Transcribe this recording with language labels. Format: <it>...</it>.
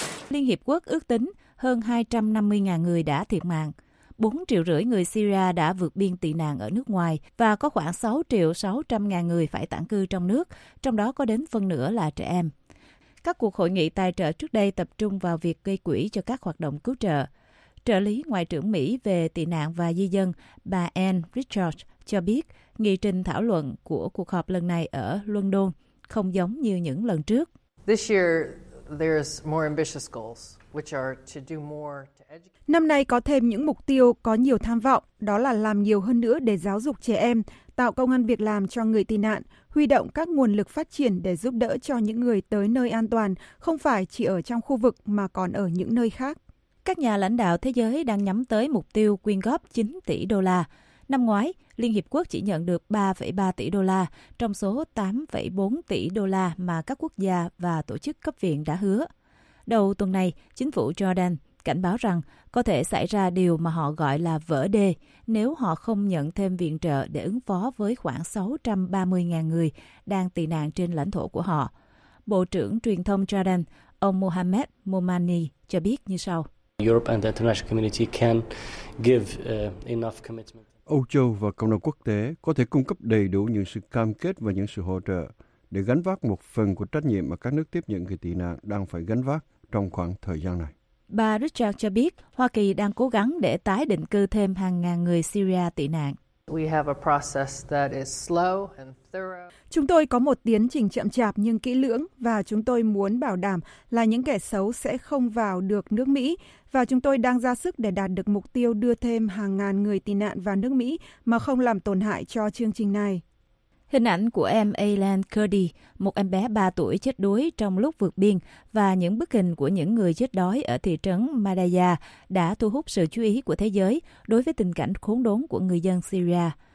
<vi>Liên Hiệp Quốc ước tính hơn 250.000 người đã thiệt mạng, 4 triệu rưỡi người Syria đã vượt biên tị nạn ở nước ngoài và có khoảng 6 triệu 600.000 người phải tản cư trong nước, trong đó có đến phần nửa là trẻ em. Các cuộc hội nghị tài trợ trước đây tập trung vào việc gây quỹ cho các hoạt động cứu trợ. trợ lý Ngoại trưởng Mỹ về tị nạn và di dân, bà Ann Richards, cho biết nghị trình thảo luận của cuộc họp lần này ở London không giống như những lần trước.</vi> <en>This year, there's more ambitious goals, which are to do more to educate.</en> <vi>Năm nay có thêm những mục tiêu có nhiều tham vọng, đó là làm nhiều hơn nữa để giáo dục trẻ em, tạo công ăn việc làm cho người tị nạn, huy động các nguồn lực phát triển để giúp đỡ cho những người tới nơi an toàn, không phải chỉ ở trong khu vực mà còn ở những nơi khác. Các nhà lãnh đạo thế giới đang nhắm tới mục tiêu quyên góp 9 tỷ đô la. Năm ngoái, Liên Hiệp Quốc chỉ nhận được 3,3 tỷ đô la trong số 8,4 tỷ đô la mà các quốc gia và tổ chức cấp viện đã hứa. Đầu tuần này, chính phủ Jordan cảnh báo rằng có thể xảy ra điều mà họ gọi là vỡ đê nếu họ không nhận thêm viện trợ để ứng phó với khoảng 630.000 người đang tị nạn trên lãnh thổ của họ. Bộ trưởng truyền thông Jordan, ông Mohamed Momani, cho biết như sau.</vi> <en>Europe and the international community can give enough commitment.</en> <vi>Âu Châu và cộng đồng quốc tế có thể cung cấp đầy đủ những sự cam kết và những sự hỗ trợ để gánh vác một phần của trách nhiệm mà các nước tiếp nhận người tị nạn đang phải gánh vác trong khoảng thời gian này. Bà Richard cho biết Hoa Kỳ đang cố gắng để tái định cư thêm hàng ngàn người Syria tị nạn.</vi> <en>We have a process that is slow and thorough.</en> <vi>Chúng tôi có một tiến trình chậm chạp nhưng kỹ lưỡng và chúng tôi muốn bảo đảm là những kẻ xấu sẽ không vào được nước Mỹ và chúng tôi đang ra sức để đạt được mục tiêu đưa thêm hàng ngàn người tị nạn vào nước Mỹ mà không làm tổn hại cho chương trình này. Hình ảnh của em Aylan Cody, một em bé 3 tuổi chết đuối trong lúc vượt biên và những bức hình của những người chết đói ở thị trấn Madaya đã thu hút sự chú ý của thế giới đối với tình cảnh khốn đốn của người dân Syria.</vi>